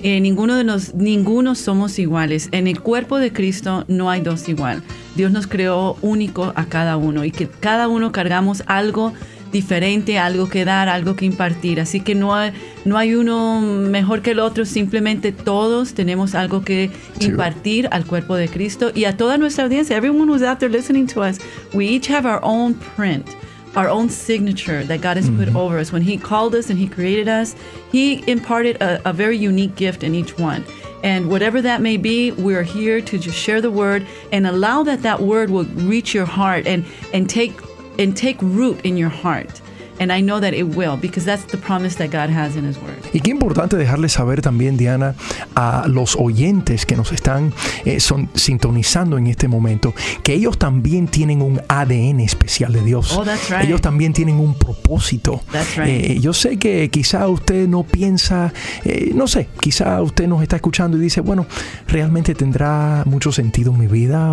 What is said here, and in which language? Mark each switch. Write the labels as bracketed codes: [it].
[es] Ninguno somos iguales. En el cuerpo de Cristo no hay dos iguales. Dios nos creó único a cada uno y que cada uno cargamos algo diferente, algo que dar, algo que impartir. Así que no hay uno mejor que el otro, simplemente todos tenemos algo que impartir al cuerpo de Cristo y a toda nuestra audiencia. [en] Everyone who's out there listening to us, we each have our own print, our own signature that God has put over us. When He called us and He created us, He imparted a very unique gift in each one. And whatever that may be, we're here to just share the word and allow that word will reach your heart and take root in your heart. And I know that it will, because that's the promise that God has in His Word. [es] Y qué importante dejarles saber también, Diana, a los oyentes que nos están sintonizando en este momento, que ellos también tienen un ADN especial de Dios. [en] Oh, that's right. [es] Ellos también tienen un propósito. [en] That's right. [es] Yo sé que quizá usted no piensa, no sé, quizá usted nos está escuchando y dice, bueno, ¿realmente tendrá mucho sentido en mi vida?